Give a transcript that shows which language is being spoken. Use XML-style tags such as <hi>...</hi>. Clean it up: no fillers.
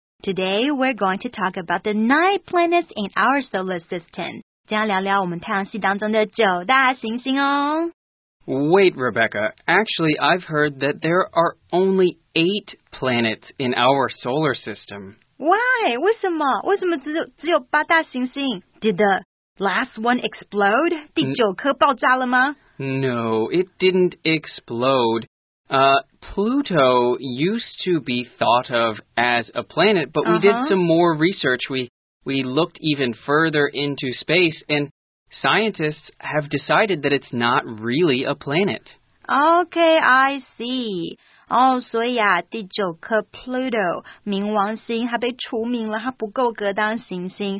<en>Today we're going to talk about the 9 planets in our solar system.</en> <zh>将聊聊我们太阳系当中的九大行星哦。</zh> <en>Wait, Rebecca. Actually, I've heard that there are only 8 planets in our solar system. Why?</en> <zh>为什么？为什么只有八大行星？</zh> <en>Did the last one explode?</en> <zh>第九颗爆炸了吗？</zh> <en>No, it didn't explode. Pluto used to be thought of as a planet, but we did some more research. We looked even further into space, and scientists have decided that it's not really a planet. Okay, I see.</en> <zh>所以啊，第九颗 Pluto, 冥王星，它被除名了，它不够格当行星。</zh>